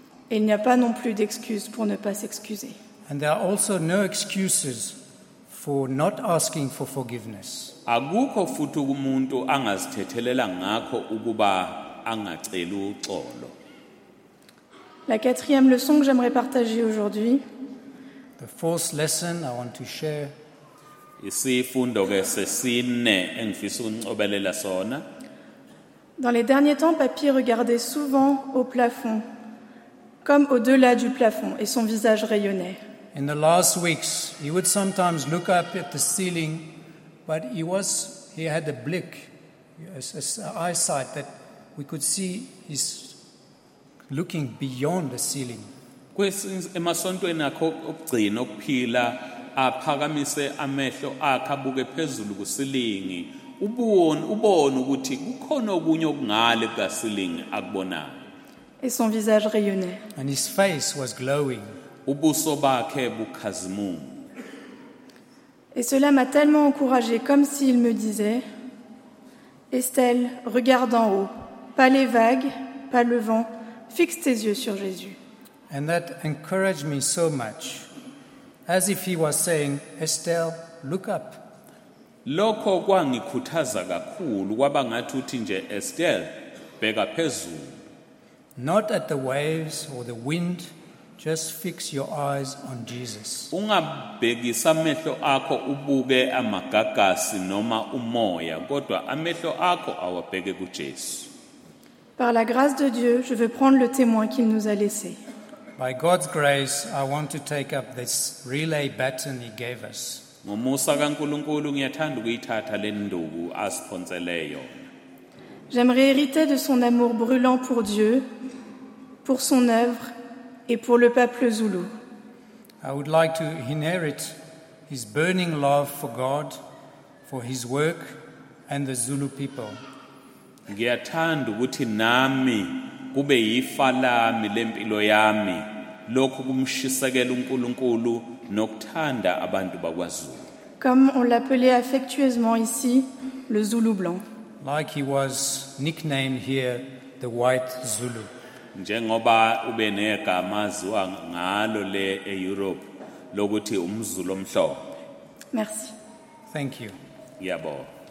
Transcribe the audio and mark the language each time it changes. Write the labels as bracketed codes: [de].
[fr] Il n'y a pas non plus d'excuses pour ne pas s'excuser. [en] And there are also no excuses for not asking for forgiveness. [zu] Akukho futhi umuntu angazithethelela ngakho ukuba angacela uxolo. [fr] La quatrième leçon que j'aimerais partager aujourd'hui. [en] The fourth lesson I want to share. [zu] Isifundo ke sesine engifisa ukuncobelela sona. [fr] Dans les derniers temps, papy regardait souvent au plafond, comme au-delà du plafond, et son visage rayonnait. [en] In the last weeks, he would sometimes look up at the ceiling, but he had a blick, an eyesight that we could see he's looking beyond the ceiling. [zu] Emasontweni akho okugcina okuphila aphakamise amehlo akhe abuke phezulu kusilingi ubone ukuthi kukhona okunye okungale kukasilingi akubonayo. [fr] Et son visage rayonnait. [en] And his face was glowing. [zu] Ubuso bakhe bukhazimula. [fr] Et cela m'a tellement encouragé, comme s'il me disait: Estelle, regarde en haut, pas les vagues, pas le vent, fixe tes yeux sur Jésus. [en] And that encouraged me so much, as if he was saying, Estelle, look up. [zu] Lokho kwangikhuthaza kakhulu, kwaba ngathi uthi nje, Estelle, beka phezulu. [en] Not at the waves or the wind, just fix your eyes on Jesus. [zu] Ungabhekisi amehlo akho ubuke amagagasi noma umoya, kodwa amehlo akho awabheke kuJesu. [fr] Par la grâce de Dieu, je veux prendre le témoin qu'il nous a laissé. [en] By God's grace, I want to take up this relay baton he gave us. [zu] Ngomusa kaNkulunkulu ngiyathanda ukuyithatha le nduku asiphonseleyo. [fr] J'aimerais hériter de son amour brûlant pour Dieu, pour son œuvre et pour le peuple Zulu. [en] I would like to inherit his burning love for God, for his work and the Zulu people. [zu] Ngiyathanda ukuthi nami kube yifa lami lempilo yami lokho kumshisekela uNkulunkulu nokuthanda abantu bakwaZulu. [fr] Comme on l'appelait affectueusement ici, le Zulu blanc. [en] Like he was nicknamed here, the white Zulu. [zu] Njengoba ube negama aziwa ngalo le eEurope lokuthi umZulu omhlophe. [fr] Merci. [en] Thank you. [zu] Yabo.